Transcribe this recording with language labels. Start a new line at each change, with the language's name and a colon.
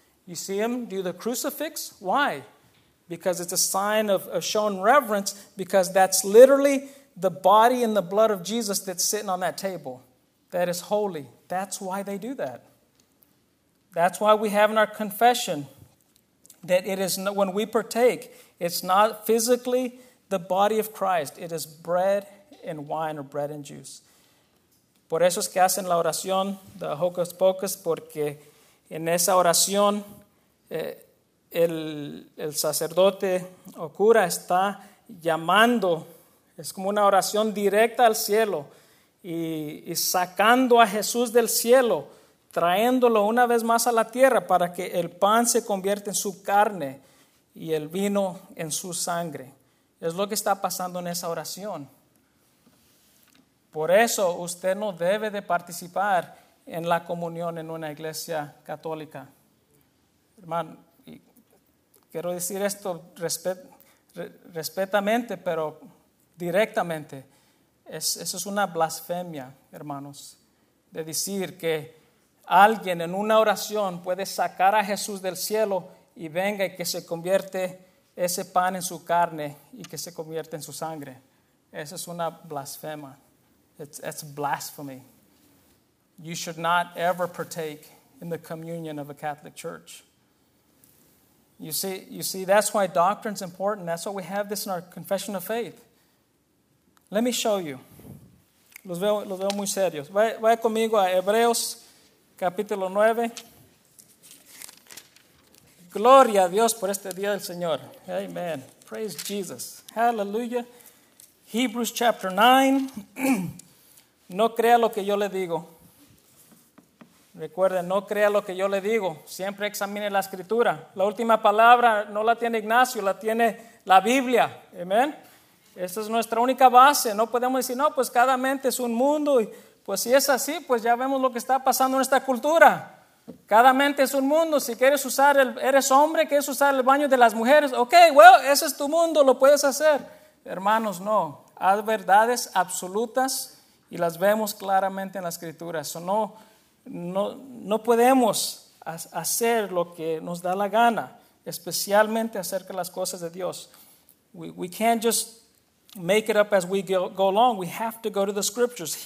English: You see him do the crucifix. Why? Because it's a sign of shown reverence, because that's literally the body and the blood of Jesus that's sitting on that table. That is holy. That's why they do that. That's why we have in our confession that it is when we partake, it's not physically the body of Christ. It is bread and wine or bread and juice.
Spanish: Por eso es que hacen la oración,
English: the hocus pocus,
Spanish: porque en esa oración el sacerdote o cura está llamando, es como una oración directa al cielo y sacando a Jesús del cielo, trayéndolo una vez más a la tierra para que el pan se convierta en su carne y el vino en su sangre. Es lo que está pasando en esa oración. Por eso usted no debe de participar en la comunión en una iglesia católica. Hermano, y quiero decir esto respetamente, pero directamente. Eso es una blasfemia, hermanos, de decir que alguien en una oración puede sacar a Jesús del cielo y venga y que se convierte ese pan en su carne y que se convierte en su sangre. Esa es una blasfema.
English: It's blasphemy. You should not ever partake in the communion of a Catholic Church. You see, that's why doctrine's important. That's why we have this in our confession of faith. Let me show you.
Spanish: Los veo muy serios. Vaya conmigo a Hebreos capítulo 9. Gloria a Dios por este día del Señor.
English: Amen. Praise Jesus. Hallelujah. Hebrews chapter 9.
Spanish: No crea lo que yo le digo. Recuerden, no crea lo que yo le digo. Siempre examine la escritura. La última palabra no la tiene Ignacio, la tiene la Biblia. Amen. Esta es nuestra única base. No podemos decir, no, pues cada mente es un mundo. Y pues si es así, pues ya vemos lo que está pasando en esta cultura. Cada mente es un mundo. Si quieres usar eres hombre, quieres usar el baño de las mujeres. Ok,
English: well,
Spanish: ese es tu mundo, lo puedes hacer. Hermanos, no. Haz verdades absolutas y las vemos claramente en la escritura. Eso no podemos hacer lo que nos da la gana, especialmente acerca de las cosas de Dios.
English: We can't just make it up as we go along. We have to go to the scriptures.